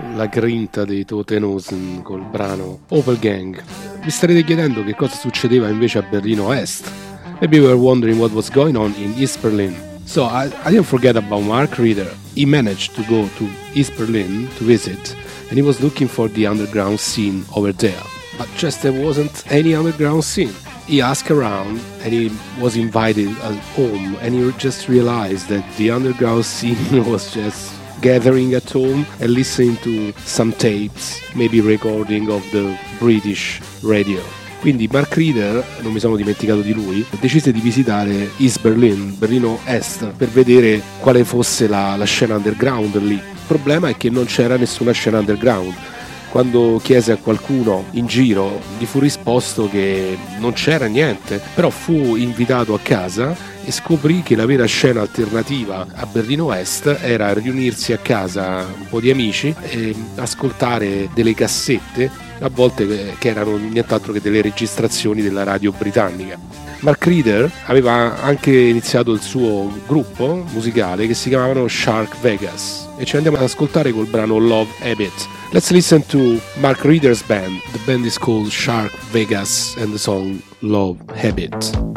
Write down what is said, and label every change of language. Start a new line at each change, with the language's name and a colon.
Italian: Grinta dei Toten Hosen col brano Opel Gang. Vi starete chiedendo che cosa succedeva invece a Berlino Est.
English: Maybe you were wondering what was going on in East Berlin. So I didn't forget about Mark Reeder. He managed to go to East Berlin to visit, and he was looking for the underground scene over there. But just there wasn't any underground scene. He asked around and he was invited at home, and he just realized that the underground scene was just gathering at home and listening to some tapes, maybe recording of the British radio.
Italian: Quindi Mark Reeder, non mi sono dimenticato di lui, decise di visitare East Berlin, Berlino Est, per vedere quale fosse la scena underground lì. Il problema è che non c'era nessuna scena underground. Quando chiese a qualcuno in giro, gli fu risposto che non c'era niente, però fu invitato a casa e scoprì che la vera scena alternativa a Berlino Est era riunirsi a casa un po' di amici e ascoltare delle cassette, a volte che erano nient'altro che delle registrazioni della radio britannica. Mark Reeder aveva anche iniziato il suo gruppo musicale che si chiamavano Shark Vegas, e ci andiamo ad ascoltare col brano Love Habit.
English: Let's listen to Mark Reeder's band. The band is called Shark Vegas and the song Love Habit.